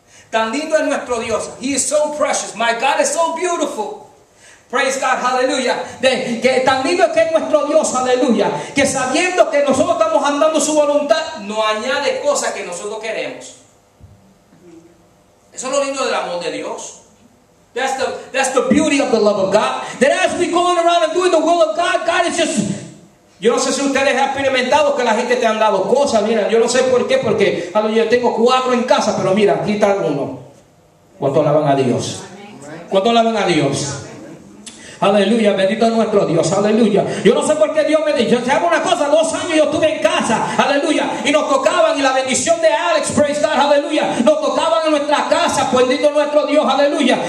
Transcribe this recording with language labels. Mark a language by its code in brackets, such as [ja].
[es] Tan lindo es nuestro Dios. [en] He is so precious. My God is so beautiful. Praise God, hallelujah. [es] De, que tan lindo es que es nuestro Dios, aleluya. Que sabiendo que nosotros estamos andando su voluntad, no añade cosas que nosotros queremos. Eso es lo lindo del amor de Dios. [en] That's the beauty of the love of God. That as we going around and doing the will of God, God is just... [es] Yo no sé si ustedes han experimentado que la gente te han dado cosas, mira, yo no sé por qué, porque yo tengo cuatro en casa, pero mira, aquí está uno. ¿Cuánto alaban a Dios? ¿Cuánto alaban a Dios? Aleluya, bendito es nuestro Dios, aleluya. Yo no sé por qué Dios me dijo, te hago una cosa, 2 años yo estuve en casa, aleluya, y nos tocaban, y la bendición de Alex, [en] praise God, [es] aleluya, nos tocaban en nuestra casa, bendito nuestro Dios, aleluya.